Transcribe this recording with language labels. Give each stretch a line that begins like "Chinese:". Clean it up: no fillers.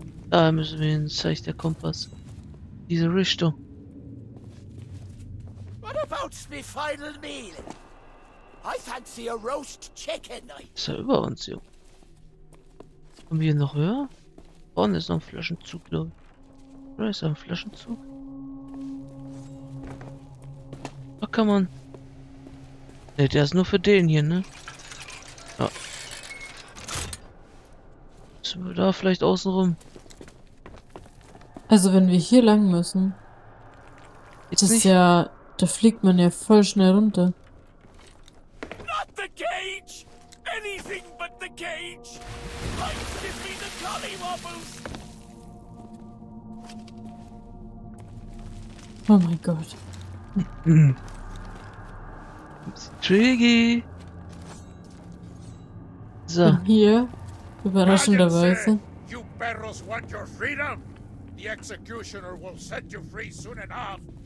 German: Da müssen wir hin, zeigt der Kompass. Diese Richtung.
English: What about the final meal? I fancy a roast chicken.
German: Ist er über uns, Junge? Kommen wir noch höher? Vorne ist noch ein Flaschenzug, glaube ich. Oder ist er ein Flaschenzug? Ach,
English: come on.
German: Ne, der ist nur für den hier, ne? Ja. Sind wir da vielleicht außen rum? Also, wenn wir hier lang müssen. Jetzt ist ja. Da fliegt man ja voll schnell runter.
English: Not the cage! Anything but the cage! Like, give me the Collywobbles!
German: Oh mein Gott. Triggy! So. Und hier, überraschenderweise.
English: You perros want your freedom! The executioner will set you free soon enough!